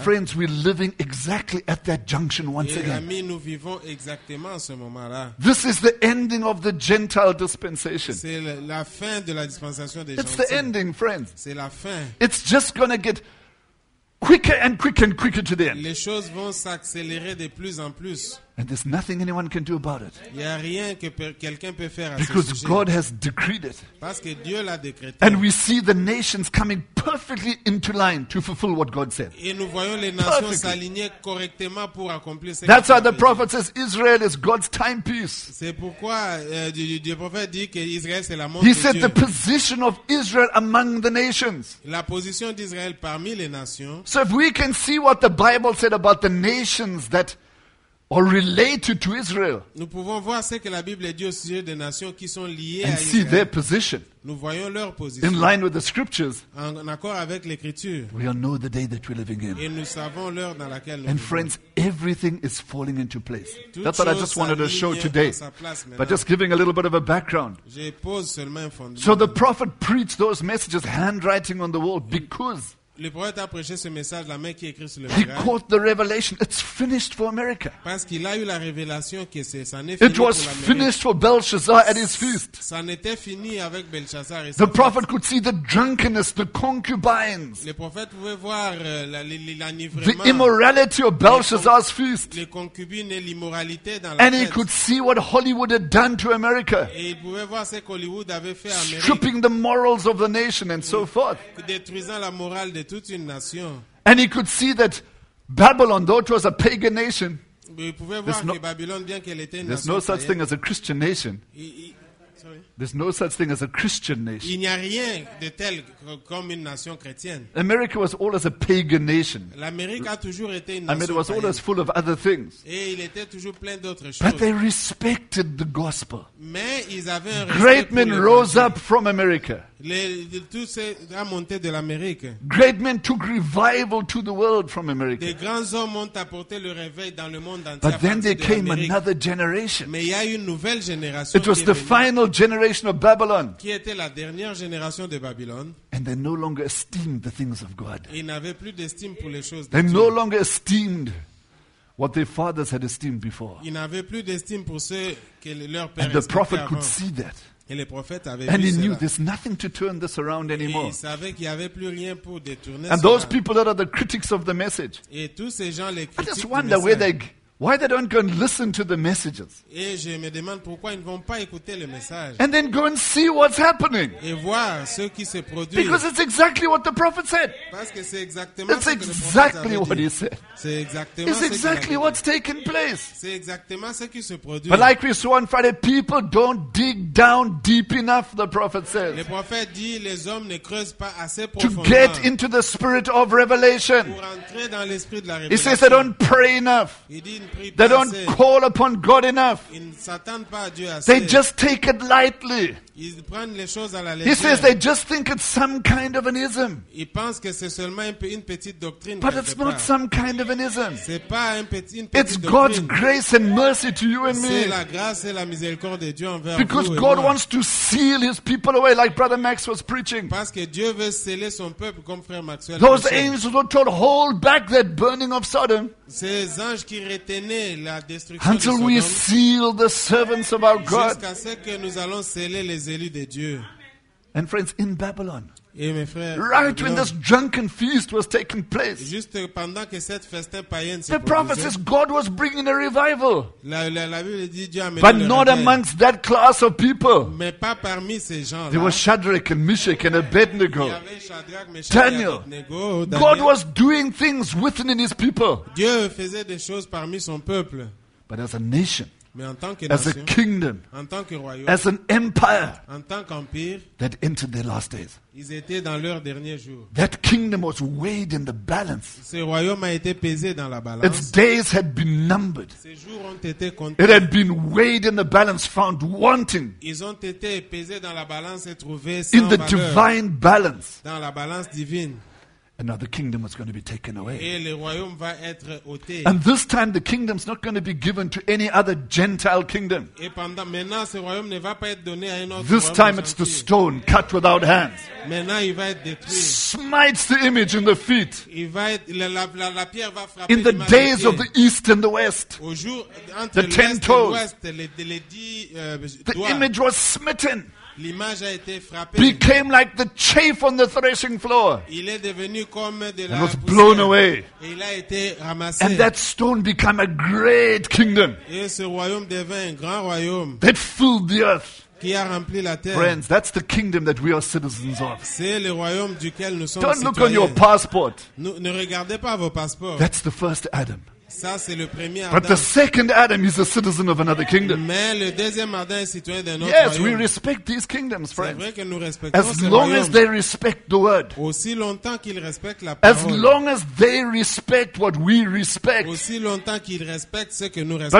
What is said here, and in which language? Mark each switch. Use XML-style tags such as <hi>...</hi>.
<en>And friends, we're living exactly at that junction once</en> <fr>et</fr> <en>again.</en> <fr>Et amis, nous vivons exactement à ce moment-là.</fr> <en>This is the ending of the Gentile dispensation.</en> <fr>C'est la fin de la dispensation des gentils.</fr> <en>It's the ending, friends.</en> <fr>C'est la fin.</fr> <en>It's just going to get quicker and quicker and quicker to the end.</en> <fr>Les choses vont s'accélérer de plus en plus.</fr> <en>And there's nothing anyone can do about it.</en> <fr>Il y a rien que quelqu'un peut faire à ce sujet.</fr> <en>Because God has decreed it.</en> <fr>Parce que Dieu l'a décrété.</fr> <en>And we see the nations coming perfectly into line to fulfill what God said.</en> <fr>Et nous voyons les nations s'aligner correctement pour accomplir ce que</fr> <en>That's how the prophet says Israel is God's timepiece.</en> <fr>C'est pourquoi le prophète dit que Israël c'est la montre de Dieu.</fr> <en>He said the position of Israel among the nations.</en> <fr>La position d'Israël parmi les nations.</fr> <en>So if we can see what the Bible said about the nations that or related to Israel.</en> <fr>Nous pouvons voir ce que la Bible dit au sujet des nations qui sont liées à</fr> <en>Israël. And see their position.</en> <fr>Nous voyons leur position.</fr> <en>In line with the scriptures.</en> <fr>En accord avec l'écriture.</fr> <en>We all know the day that we're living in.</en> <fr>Et nous savons l'heure dans laquelle nous</fr> <en>And</en> <fr>vivons.</fr> <en>Friends, everything is falling into place. That's what I just wanted to show today. But just giving a little bit of a background.</en> <fr>Je pose seulement un fond.</fr> <en>So the prophet preached those messages handwriting on the wall because</en> <fr>Le prophète a prêché ce message, la main qui écrit sur le</fr> <en>miracle. He caught the revelation. It's finished for America.</en> <fr>Parce qu'il a eu la révélation que c'est ça n'est fini pour l'Amérique.</fr> <en>It was finished for Belshazzar at his feast.</en> <fr>Ça n'était fini avec Belshazzar.</fr> <en>The prophet could see the drunkenness, the concubines.</en> <fr>Le prophète pouvait voir l'enivrement.</fr> <en>The immorality of Belshazzar's feast.</en> <fr>Les concubines et l'immoralité dans la fête.</fr> <en>And he could see what Hollywood had done to America.</en> <fr>Et il pouvait voir ce qu'Hollywood avait fait à l'Amérique.</fr> <en>Stripping the morals of the nation and so forth.</en> <fr>Détruisant la morale. De toute une nation.</fr> <en>And he could see that Babylon, though it was a pagan nation, there's no such thing as a Christian nation. There's no such thing as a Christian nation.</en> <fr>Il n'y a rien de tel comme une nation chrétienne.</fr> <en>America was always a pagan nation.</en> <fr>L'Amérique a toujours été une nation.</fr> <en>I mean, it was always full of other things.</en> <fr>Et il était toujours plein d'autres choses.</fr> <en>But they respected the gospel.</en> <fr>Mais ils avaient un</fr> <en>great men rose up from America.</en> <fr>Tous a monté de l'Amérique.</fr> <en>Great men took revival to the world from America.</en> <fr>Des grands hommes ont apporté le réveil dans le monde entier.</fr> <en>But then there came another generation.</en> <fr>Mais il y a une nouvelle génération.</fr> <en>It was the final generation of Babylon.</en> <fr>Qui était la dernière génération de Babylone.</fr> <en>And they no longer esteemed the things of God.</en> <fr>Ils n'avaient plus d'estime pour les choses de</fr> <en>they</en> <fr>Dieu.</fr> <en>No longer esteemed what their fathers had esteemed before.</en> <fr>Ils n'avaient plus d'estime pour ce que leur père.</fr> <en>And the prophet</en> <fr>avant.</fr> <en>Could see that.</en> <fr>Et les prophètes avaient</fr> <en>and</en> <fr>vu</fr> <en>he</en> <fr>cela.</fr> <en>Knew there's nothing to turn this around anymore.</en> <fr>Et ils savaient qu'il n'y avait plus rien pour détourner.</fr> <en>And those people that are the critics of the message.</en> <fr>Et tous ces gens les critiques.</fr> <en>I just wonder where they. Why they don't go and listen to the messages?</en> <fr>Et je me demande pourquoi ils ne vont pas écouter le message.</fr> <en>And then go and see what's happening.</en> <fr>Et voir ce qui se produit.</fr> <en>Because it's exactly what the prophet said.</en> <fr>Parce que c'est exactement</fr> <en>it's exactly</en> <fr>ce que le prophète</fr> <en>what he said.</en> <fr>C'est exactement</fr> <en>it's exactly</en> <fr>ce</fr> <en>what's taking place.</en> <fr>C'est exactement ce qui se produit.</fr> <en>But like we saw on Friday, people don't dig down deep enough, the prophet said.</en> <fr>Le prophète dit, les hommes ne creusent pas assez profondément.</fr> <en>To get into the spirit of revelation.</en> <fr>Pour entrer dans l'esprit de la révélation.</fr> <en>He says they don't pray enough. They don't call upon God enough. They just take it lightly.</en> <fr>Ils prennent les choses à la légère.</fr> <en>He says they just think it's some kind of an ism.</en> <fr>Ils pensent que c'est seulement une petite doctrine.</fr> <en>But it's not some kind of an ism.</en> <fr>C'est pas une petite doctrine.</fr> <en>It's God's grace and mercy to you and me.</en> <fr>C'est la grâce et la miséricorde de Dieu envers vous.</fr> <en>Because God wants to seal His people away, like Brother Max was preaching.</en> <fr>Parce que Dieu veut sceller son peuple comme Frère Maxwell.</fr> <en>Those angels were told, hold back that burning of Sodom.</en> <fr>Ces anges qui retenaient la destruction de Sodome.</fr> <en>Until we seal the servants of our God.</en> <fr>Jusqu'à ce que nous allons sceller les élus de Dieu.</fr> <en>And friends, in Babylon,</en> <fr>et mes frères,</fr> <en>right Babylon, when this drunken feast was taking place,</en> <fr>juste pendant que cette festin païenne,</fr> <en>the prophet says God was bringing a revival,</en> <fr>la Bible dit Dieu a mené</fr> <en>but not revival. Amongst that class of people.</en> <fr>Mais pas parmi ces gens-là.</fr> <en>There was Shadrach and Meshach and Abednego.</en> <fr>Il y avait Shadrach, Meshach, Daniel.</fr> <en>God was doing things within his people.</en> <fr>Dieu faisait des choses parmi son peuple.</fr> <en>But as a nation,</en> <fr>mais en tant que</fr> <en>as</en> <fr>nation,</fr> <en>a kingdom,</en> <fr>en tant que royaume,</fr> <en>as an empire,</en> <fr>en tant qu'empire,</fr> <en>that entered their last days.</en> <fr>Ils étaient dans leurs derniers jours.</fr> <en>That kingdom was weighed in the balance.</en> <fr>Ce royaume a été pesé dans la balance.</fr> <en>Its days had been numbered.</en> <fr>Ces jours ont été comptés.</fr> <en>It had been weighed in the balance, found wanting.</en> <fr>Ils ont été pesés dans la balance et trouvés sans valeur.</fr> <en>In the divine balance.</en> <fr>Dans la balance divine.</fr> <en>And now the kingdom is going to be taken away.</en> <fr>Et le royaume va être ôté.</fr> <en>And this time the kingdom is not going to be given to any other Gentile kingdom.</en> <fr>Et pendant, maintenant, ce royaume ne va pas être donné à un autre.</fr> <en>This time it's the stone cut without hands.</en> <fr>Maintenant, il va être détruit.</fr> <en>Smites the image in the feet.</en> <fr>Il va être, la pierre va frapper</fr> <en>in the days of the east and the west.</en> <fr>Au jour, entre</fr> <en>the ten toes. The image was smitten.</en> <fr>L'image a été frappée.</fr> <en>Became like the chaff on the threshing floor.</en> <fr>Il est devenu comme de la</fr> <en>and was blown away.</en> <fr>Il a été ramassé.</fr> <en>And that stone became a great kingdom.</en> <fr>Et ce royaume devint un grand royaume.</fr> <en>That filled the earth.</en> <fr>Qui a rempli la terre.</fr> <en>Friends, that's the kingdom that we are citizens of.</en> <fr>C'est le royaume duquel nous sommes</fr> <en>don't</en> <fr>citoyens.</fr> <en>Look on your passport.</en> <fr>Ne regardez pas vos passeports.</fr> <en>That's the first Adam.</en> <fr>Ça, c'est le premier Adam.</fr> <en>But the second Adam is a citizen of another kingdom.</en> <fr>Mais le deuxième Adam est citoyen d'un autre</fr> <en>yes,</en> <fr>royaume.</fr> <en>We respect these kingdoms, friends.</en> <fr>C'est vrai que nous respectons</fr> <en>as long as they respect the word.</en> <fr>Aussi longtemps qu'ils respectent la parole.</fr> <en>As long as they respect what we respect.</en> <fr>Aussi longtemps qu'ils respectent ce que nous respectons.</fr>